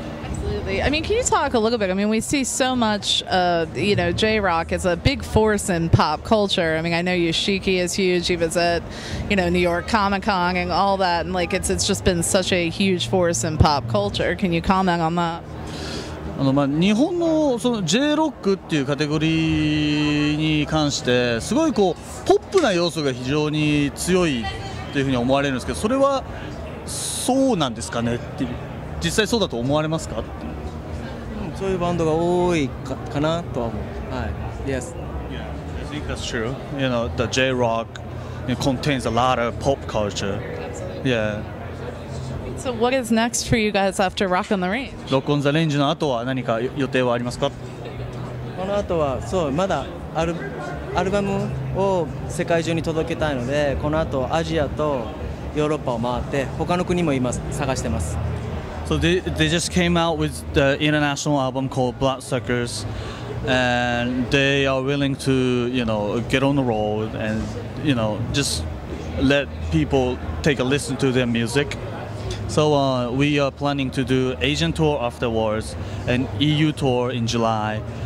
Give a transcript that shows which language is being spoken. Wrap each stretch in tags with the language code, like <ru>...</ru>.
<en>Absolutely. absolutely. I mean, can you talk a little bit? I mean, we see so much, you know, J-Rock is a big force in pop culture. I mean, I know Yoshiki is huge. He was at, you know, New York Comic Con and all that. And, like, it's just been such a huge force in pop culture. Can you comment on that?</en> <ja>あのまあ日本 の, その J-ROCK っていうカテゴリーに関してすごいこうポップな要素が非常に強いっていうふうに思われるんですけど、それはそうなんですかねっていう、実際そうだと思われますかっていう、そういうバンドが多い かなとは思う、はい、</ja> <en>Yes Yeah, I think that's true. You know, the J-ROCK contains a lot of pop culture. Yeah So what is next for you guys after Rock on the Range?</en> <ja>Rock on the Range の後は何か予定はありますか？この後はそう、まだアルバムを世界中に届けたいので、この後アジアとヨーロッパを回って他の国も今探してます。</ja> <en>So they just came out with the international album called Bloodsuckers, and they are willing to, you know, get on the road and, you know, just let people take a listen to their musicSo we are planning to do Asian tour afterwards and EU tour in July.</en>